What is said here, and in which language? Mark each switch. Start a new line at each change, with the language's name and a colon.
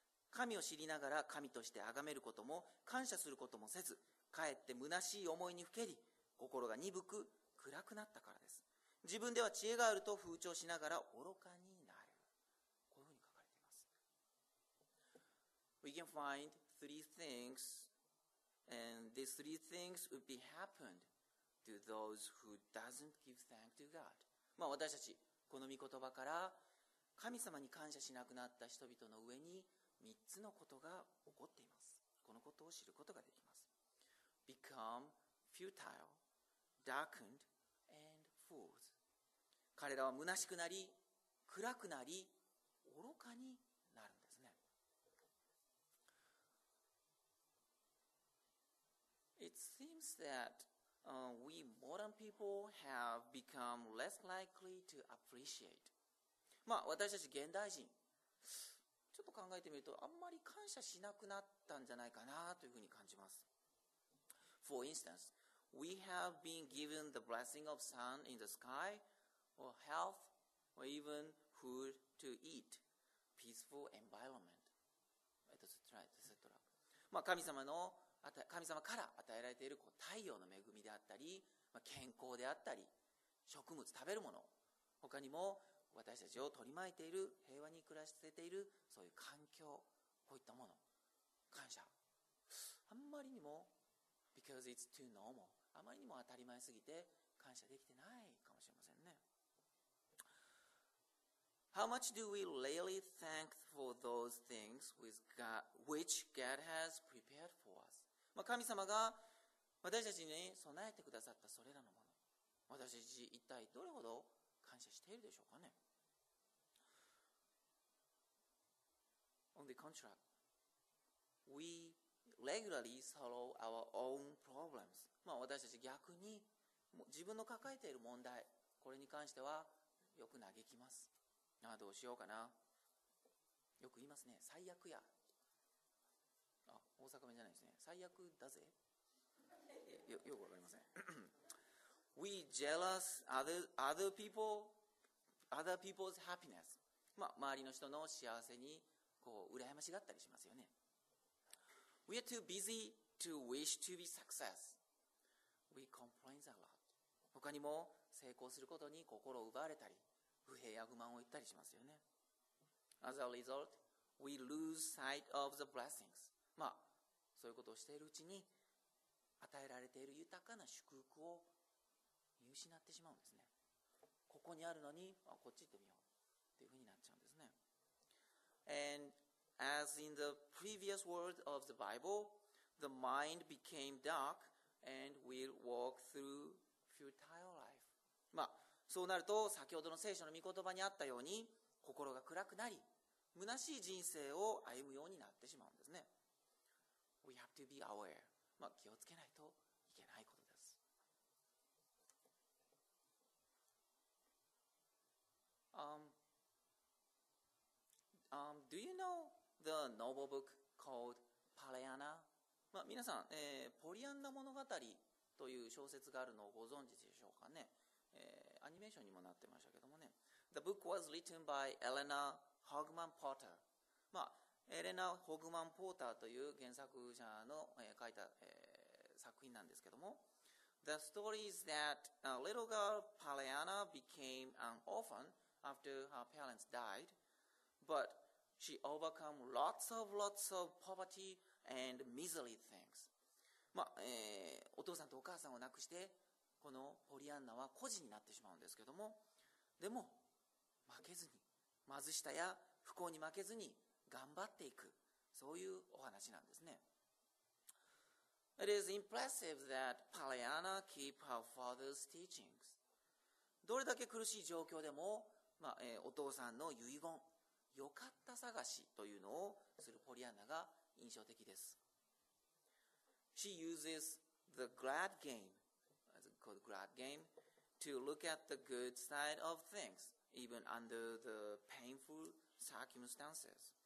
Japanese: 神を知りながら神として崇めることも感謝することもせず、かえって虚しい思いにふけり、心が鈍く暗くなったからです。自分では知恵があると風潮しながら愚かになる。こういうふうに書かれています。
English: We can find three things, and these three things would be happened to those who doesn't give thanks to God.
Japanese: まあ私たちこの御言葉から神様に感謝しなくなった人々の上に3つのことが起こっています。このことを知ることができます。
English: Become futile, darkened, and fools.
Japanese: 彼らは虚しくなり、暗くなり、愚かになるんですね。
English: It seems that we modern people have become less likely to appreciate.
Japanese: まあ、私たち現代人ちょっと考えてみるとあんまり感謝しなくなったんじゃないかなというふうに感じます。
English: For instance, we have been given the blessing of sun in the sky, or health, or even food to eat, peaceful environment, etc. etc.
Japanese: まあ神様から与えられているこう太陽の恵みであったり、まあ、健康であったり、食物食べるもの、他にも私たちを取り巻いている平和に暮らしているそういう環境、こういったもの、感謝、あんまりにも
English: because it's too normal、
Japanese: あまりにも当たり前すぎて感謝できてないかもしれませんね。
English: How much do we really thank for those things with God, which God has prepared for us?
Japanese: まあ神様が私たちに備えてくださったそれらのもの、私たち一体どれほど感謝しているでしょうかね。
English: On the contrary, we regularly solve our own problems.
Japanese: まあ私たち逆に自分の抱えている問題、これに関してはよく嘆きます。ああどうしようかな。よく言いますね。最悪や。あ、大阪弁じゃないですね。最悪だぜ。よくわかりません。
English: We jealous other people's happiness.
Japanese: まあ、周りの人の幸せにこう羨ましがったりしますよね。
English: We are too busy to wish to be success, we complain a lot.
Japanese: 他にも成功することに心を奪われたり、不平や不満を言ったりしますよね。
English: As a result, we lose sight of the blessings.
Japanese: まあ、そういうことをしているうちに、与えられている豊かな祝福を見失ってしまうんですね。ここにあるのに、あ、こっち行ってみよう。っていうふうになっちゃうんですね。
English: And as in the previous word of the Bible, the mind became dark and will walk through futile life.
Japanese: まあ、そうなると先ほどの聖書の御言葉にあったように心が暗くなり、虚しい人生を歩むようになってしまうんですね。
English: We have to be aware.
Japanese: まあ、気をつけないといけないことです。
English: Do you know the novel book called Pollyanna?
Japanese: まあ、皆さん、ポリアンナ物語という小説があるのをご存知でしょうかね。アニメーションにもなってましたけどもね。
English: The book was written by Elena Hogman Porter.
Japanese: まあ、エレナ・ホグマン・ポーターという原作者の、書いた、作品なんですけども。
English: The story is that a little girl Pollyanna became an orphan after her parents died. But she overcome lots of poverty and misery things.
Japanese: まあ、お父さんとお母さんを亡くして、このポリアンナは孤児になってしまうんですけども、でも負けずに、貧しさや不幸に負けずに頑張っていく、そういうお話なんですね。
English: It is impressive that Pollyanna keep her father's teachings.
Japanese: どれだけ苦しい状況でも、まあ、お父さんの遺言、良かった探しというのをするポリアンナが印象的です。
English: She uses the glad game, called glad game, to look at the good side of things, even under the painful circumstances.